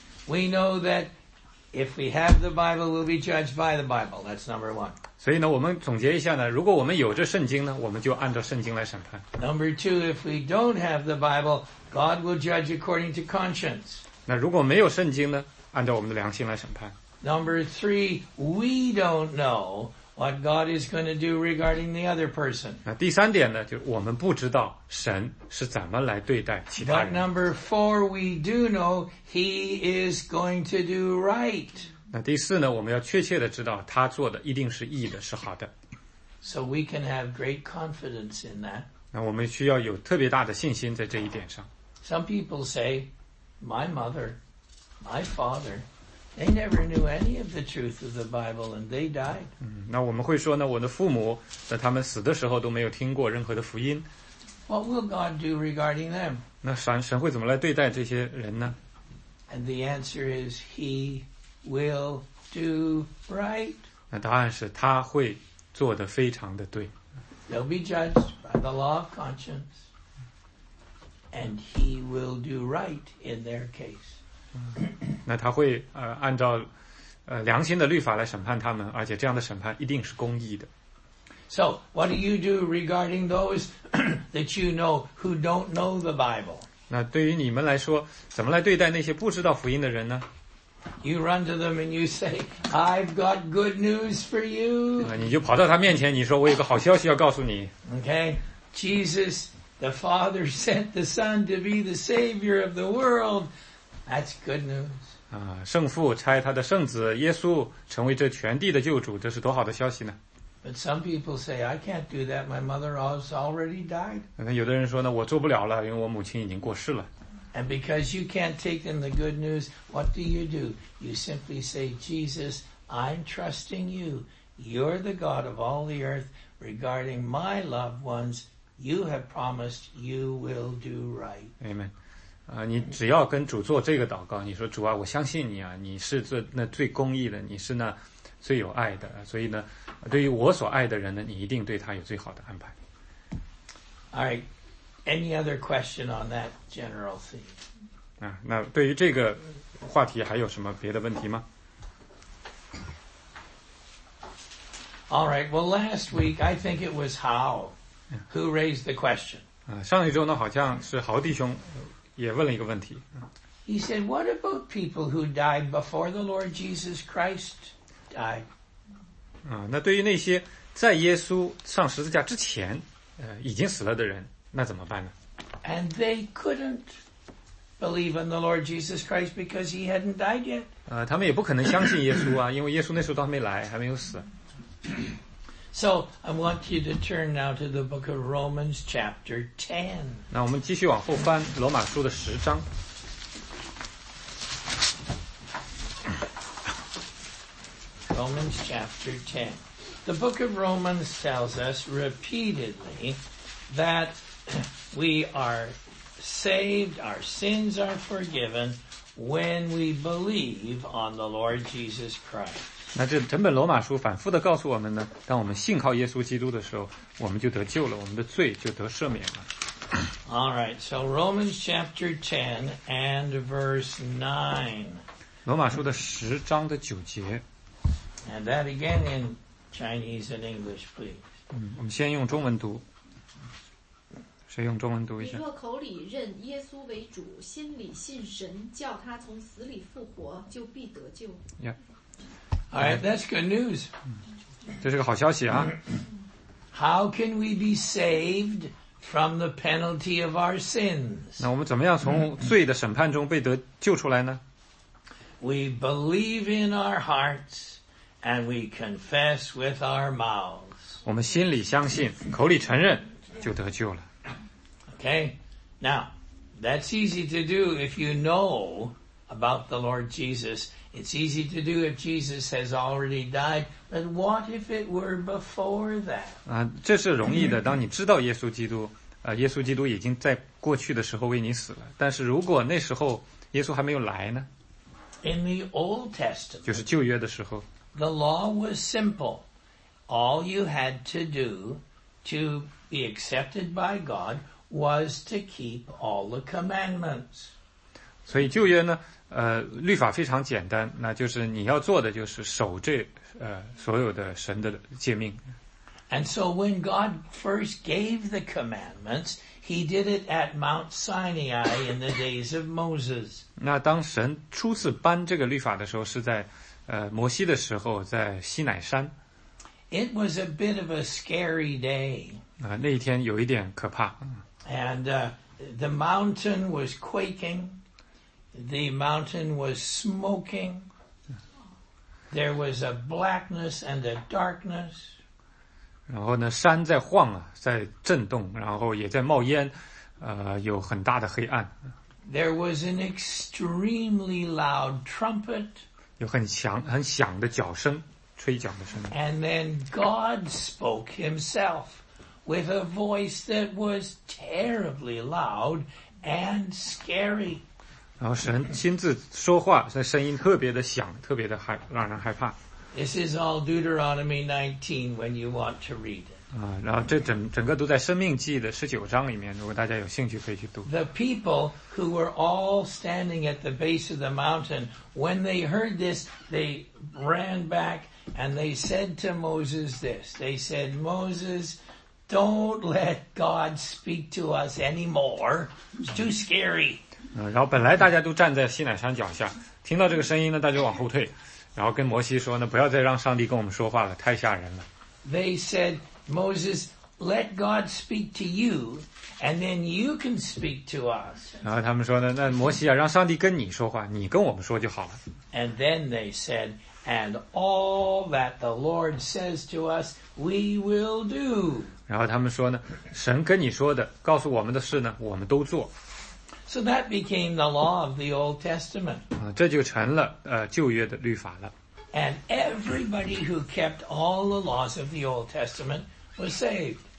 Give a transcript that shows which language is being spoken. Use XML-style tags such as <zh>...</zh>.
<en>We know that if we have the Bible, we'll be judged by the Bible. That's number one.</en> <zh>所以呢，我们总结一下呢，如果我们有这圣经呢，我们就按照圣经来审判。</zh> <en>Number two, if we don't have the Bible, God will judge according to conscience.</en> <zh>那如果没有圣经呢，按照我们的良心来审判。</zh> <en>Number three, we don't know. What God is going to do regarding the other person.</en> <zh>那第三点呢，就是我们不知道神是怎么来对待其他人。</zh> <en>But number four, we do know He is going to do right.</en> <zh>那第四呢，我们要确切的知道他做的一定是义的，是好的。</zh> <en>So we can have great confidence in that.</en> <zh>那我们需要有特别大的信心在这一点上。</zh> <en>Some people say, my mother, my father,They never knew any of the truth of the Bible, and they died.</en> <zh>那我们会说呢，我的父母在他们死的时候都没有听过任何的福音。</zh> <en>What will God do regarding them?</en> <zh>那神会怎么来对待这些人呢</zh> <en>？And the answer is, He will do right.</en> <zh>那答案是他会做得非常的对。</zh> <en>They'll be judged by the law of conscience, and He will do right in their case.</en> <zh>那他会按照良心的律法来审判他们，而且这样的审判一定是公义的。</zh> <en>So, what do you do regarding those that you know who don't know the Bible?</en> <zh>那对于你们来说，怎么来对待那些不知道福音的人呢？</zh> <en>You run to them and you say, I've got good news for you.</en> <zh>你就跑到他面前，你说我有个好消息要告诉你。</zh> <en>Okay, Jesus, the Father sent the Son to be the Savior of the world. That's good news.</en> <zh>圣父差他的圣子耶稣成为这全地的救主，这是多好的消息呢。</zh> <en>But some people say, I can't do that, my mother has already died.</en> <zh>那有的人说呢，我做不了了，因为我母亲已经过世了。</zh> <en>And because you can't take them the good news, what do? You simply say, Jesus, I'm trusting you. You're the God of all the earth. Regarding my loved ones, you have promised you will do right. Amen.</en> <zh>你只要跟主做这个祷告，你说主啊，我相信你啊，你是那最公义的，你是那最有爱的，所以呢，对于我所爱的人呢，你一定对他有最好的安排。</zh> <en>All right, any other question on that general theme?</en> <zh>那对于这个话题还有什么别的问题吗？</zh> <en>All right, well, last week I think it was Howe who raised the question.</en> <zh>上一周呢，好像是豪弟兄也问了一个问题。</zh> <en>He said, "What about people who died before the Lord Jesus Christ?"</en> <zh>那对于那些在耶稣上十字架之前已经死了的人，那怎么办呢？</zh> <en>And they couldn't believe in the Lord Jesus Christ because he hadn't died yet.</en> <zh>他们也不可能相信耶稣啊，因为耶稣那时候都还没来，还没有死。</zh> <en>So, I want you to turn now to the book of Romans chapter 10.</en> <zh>那我们继续往后翻，罗马书的十章。</zh> <en>Romans chapter 10. The book of Romans tells us repeatedly that we are saved, our sins are forgiven when we believe on the Lord Jesus Christ.</en> <zh>那这整本罗马书反复地告诉我们呢，当我们信靠耶稣基督的时候，我们就得救了，我们的罪就得赦免了。</zh> <en>All right, so Romans chapter 10 and verse 9.</en> <zh>罗马书的十章的九节。</zh> <en>And that again in Chinese and English, please.</en> <zh>我们先用中文读。谁用中文读一下？你若口里认耶稣为主，心里信神，叫他从死里复活，就必得救。</zh> <en>Yeah. All right, that's good news.</en> <zh>这是个好消息啊。</zh> <en>How can we be saved from the penalty of our sins?</en> <zh>那我们怎么样从罪的审判中被得救出来呢？</zh> <en>We believe in our hearts. And we confess with our mouths.</en> <zh>我们心里相信，口里承认，就得救了。</zh> <en>Okay, now that's easy to do if you know about the Lord Jesus. It's easy to do if Jesus has already died. But what if it were before that?</en> <zh>这是容易的。当你知道耶稣基督，耶稣基督已经在过去的时候为你死了。但是如果那时候耶稣还没有来呢？</zh> <en>In the Old Testament,</en> <zh>就是旧约的时候。</zh> <en>The law was simple. All you had to do to be accepted by God was to keep all the commandments.</en> <zh>所以旧约呢，律法非常简单，那就是你要做的就是守这所有的神的诫命。</zh> <en>And so when God first gave the commandments, He did it at Mount Sinai in the days of Moses.</en> <zh>那当神初次颁这个律法的时候，是在摩西的时候在西乃山。</zh> <en>It was a bit of a scary day.</en> <zh>那一天有一点可怕。</zh> <en>And the mountain was quaking. The mountain was smoking. There was a blackness and a darkness.</en> <zh>然后呢，山在晃啊，在震动，然后也在冒烟，有很大的黑暗。</zh> <en>There was an extremely loud trumpet.</en> <zh>有很响的脚声，吹脚的声音。</zh> <en>And then God spoke himself with a voice that was terribly loud and scary.</en> <zh>然后神亲自说话，那声音特别的响，特别的害，让人害怕。</zh> <en>This is all Deuteronomy 19 when you want to read it.</en> <zh>啊，然后这整个都在《生命记》的19章里面，如果大家有兴趣可以去读。</zh> <en>The people who were all standing at the base of the mountain, when they heard this, they ran back and they said to Moses this. They said, Moses, don't let God speak to us anymore. It's too scary.</en> <zh>然后本来大家都站在西乃山脚下，听到这个声音呢，大家往后退，然后跟摩西说呢，不要再让上帝跟我们说话了，太吓人了。</zh> <en>They said,Moses, let God speak to you, and then you can speak to us.</en> <zh>然后他们说呢，那摩西啊，让上帝跟你说话，你跟我们说就好了。</zh> <en>And then they said, and all that the Lord says to us, we will do.</en> <zh>然后他们说呢，神跟你说的，告诉我们的事呢，我们都做。</zh> <en>So that became the law of the Old Testament.</en> <zh>这就成了旧约的律法了。</zh> <en>And everybody who kept all the laws of the Old Testament was saved.</en>